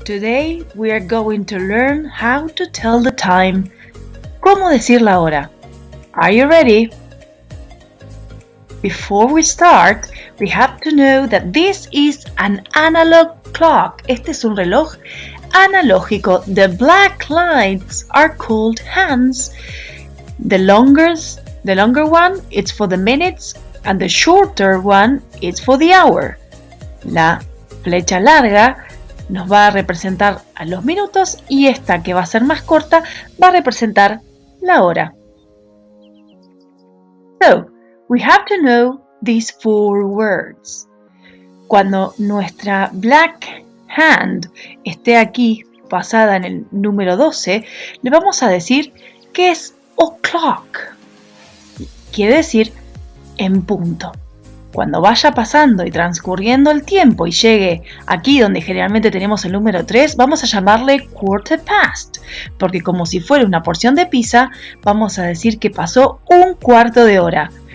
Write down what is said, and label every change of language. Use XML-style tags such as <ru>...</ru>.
<en>Today we are going to learn how to tell the time.</en> <es>¿Cómo decir la hora?</es> <en>Are you ready? Before we start, we have to know that this is an analog clock.</en> <es>Este es un reloj analógico.</es> <en>The black lines are called hands. The longer one is for the minutes and the shorter one is for the hour.</en> <es>La flecha larga nos va a representar a los minutos y esta que va a ser más corta va a representar la hora.</es> <en>So, we have to know these four words.</en> <es>Cuando nuestra black hand esté aquí pasada en el número 12, le vamos a decir que es o'clock. Quiere decir en punto. Cuando vaya pasando y transcurriendo el tiempo y llegue aquí donde generalmente tenemos el número 3, vamos a llamarle quarter past, porque como si fuera una porción de pizza, vamos a decir que pasó un cuarto de hora.</es>